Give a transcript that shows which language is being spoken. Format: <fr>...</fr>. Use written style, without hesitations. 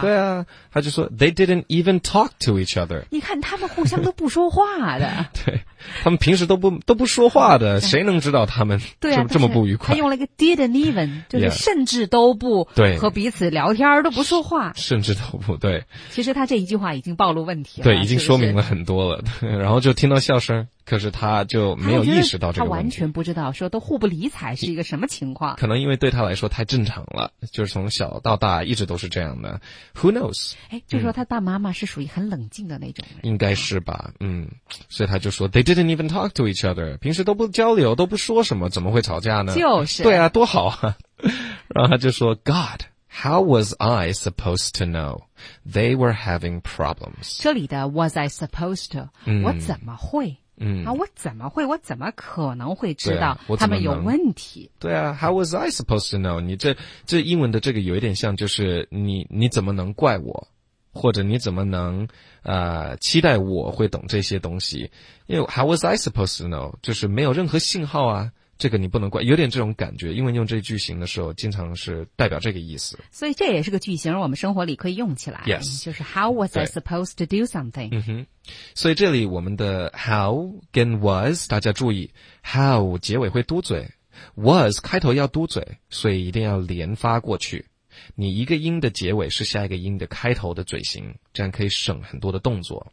<zh>对啊，他就说</zh> <en>they didn't even talk to each other。</en> <zh>你看他们互相都不说话的。对，他们平时都不说话的，谁能知道他们对、啊、这么不愉快？他用了一个 didn't even， 就是甚至都不对和彼此聊天、yeah， 都不说话，甚至都不对。其实他这一句话已经暴露问题了，对，已经说明了很多了。是是然后就听到笑声。可是他就没有意识到这个问题，他完全不知道说都互不理睬是一个什么情况。可能因为对他来说太正常了，就是从小到大一直都是这样的。</zh> <en>Who knows？</en> <zh>哎，就说他爸妈妈是属于很冷静的那种人，应该是吧？嗯，所以他就说</zh> <en>they didn't even talk to each other，</en> <zh>平时都不交流，都不说什么，怎么会吵架呢？就是，对啊，多好啊！然后他就说 God。</zh> <en>How was I supposed to know they were having problems？</en> <zh>这里的</zh> <en>was I supposed to？、嗯、</en> <zh>我怎么会？嗯啊，我怎么会？我怎么可能会知道、啊、他们有问题？对啊 ，</zh> <en>How was I supposed to know？</en> <zh>你这英文的这个有一点像，就是你怎么能怪我，或者你怎么能期待我会懂这些东西？因为 How was I supposed to know？ 就是没有任何信号啊。这个你不能怪，有点这种感觉。英文用这句型的时候经常是代表这个意思，所以这也是个句型，我们生活里可以用起来。</zh> <en>Yes，</en> <zh>就是</zh> <en>How was I supposed to do something？</en> <zh>嗯哼，所以这里我们的 How 跟 was， 大家注意 How 结尾会嘟嘴， Was 开头要嘟嘴，所以一定要连发过去，你一个音的结尾是下一个音的开头的嘴型，这样可以省很多的动作。</zh>